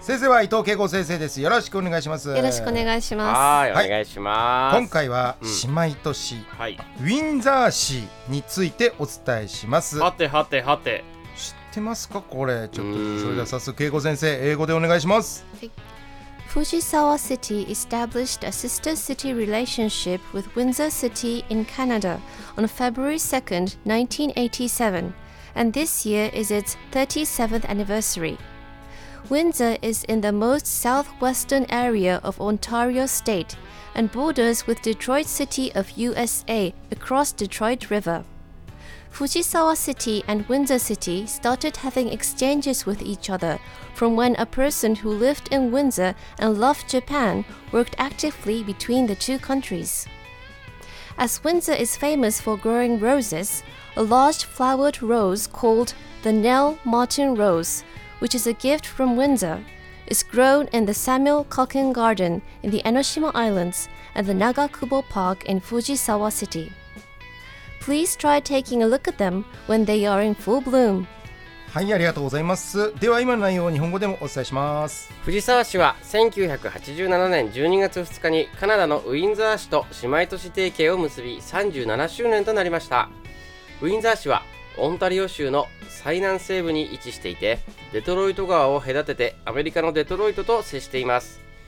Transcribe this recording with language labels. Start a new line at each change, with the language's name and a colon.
Japanese: 先生は伊藤恵子先生です。よろしくお願いします。よろしくお願いします。はい、はい、お願いします。今回は姉妹都市、うん、はい、ウィンザー市についてお伝えします。はてはてはて、知ってますかこれ。ちょっとそれでは早速恵子先生、英語でお願いします。はい。
English: Fujisawa City established a sister city relationship with Windsor City in Canada on February 2, 1987, and this year is its 37th anniversary. Windsor is in the most southwestern area of Ontario state and borders with Detroit City of USA across Detroit River. Fujisawa City and Windsor City started having exchanges with each other from when a person who lived in Windsor and loved Japan worked actively between the two countries. As Windsor is famous for growing roses, a large flowered rose called the Nell Martin Rose, which is a gift from Windsor, is grown in the Samuel Calkin Garden in the Enoshima Islands and the Nagakubo Park in Fujisawa City. Please try taking a look at them when they are in full bloom.
Japanese: はい、ありがとうございます。では今の内容を日本語でもお伝えします。藤沢市は1987年12月2日にカナダのウィンザー市と姉妹都市提携を結び37周年となりました。ウィンザー市はオンタリオ州の最南西部に位置していて、デトロイト川を隔ててアメリカのデトロイトと接しています。